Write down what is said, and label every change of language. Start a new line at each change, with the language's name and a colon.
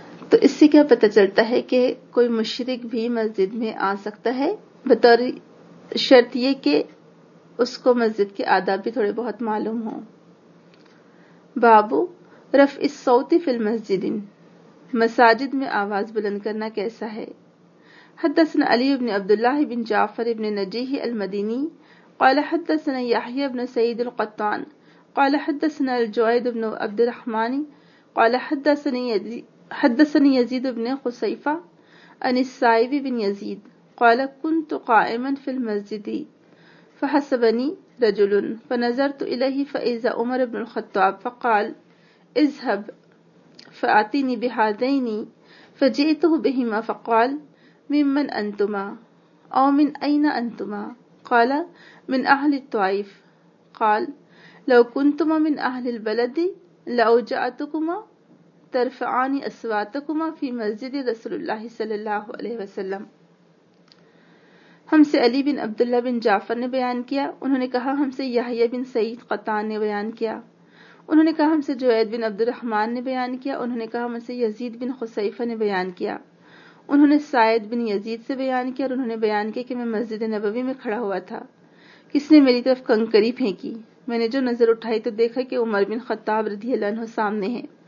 Urdu: تو اس سے کیا پتہ چلتا ہے کہ کوئی مشرک بھی مسجد میں آ سکتا ہے, بطور شرط یہ کہ اس کو مسجد کے آداب بھی تھوڑے بہت معلوم ہوں.
Arabic: بابو رفع الصوت فی المسجد,
Urdu: مساجد میں آواز بلند کرنا کیسا ہے.
Arabic: حدثنا علی بن عبداللہ بن جعفر بن نجیح المدینی قال حدثنا یحیی بن سعید القطان قال حدثنا الجعید بن عبد الرحمن قال حدثني يزيد بن خصيفة عن السائب بن يزيد قال كنت قائما في المسجد فحسبني رجل فنظرت إليه فإذا عمر بن الخطاب فقال اذهب فأعطيني بهذين فجئته بهما فقال ممن أنتما أو من أين أنتما قال من أهل الطائف قال لو كنتما من أهل البلد لأوجعتكما ترفعانی اسواتکما فی مسجد رسول اللہ صلی اللہ علیہ وسلم.
Urdu: ہم سے علی بن عبداللہ بن جعفر نے بیان کیا, انہوں نے کہا ہم سے یحییٰ بن سعید قطان نے بیان کیا, انہوں نے کہا ہم سے جعید بن عبد الرحمن نے بیان کیا, انہوں نے کہا ہم سے یزید بن خصیفہ نے بیان کیا, انہوں نے سعید بن یزید سے بیان کیا اور انہوں نے بیان کیا کہ میں مسجد نبوی میں کھڑا ہوا تھا, کس نے میری طرف کنکری پھینکی, میں نے جو نظر اٹھائی تو دیکھا کہ عمر بن خطاب رضی اللہ عنہ سامنے ہیں.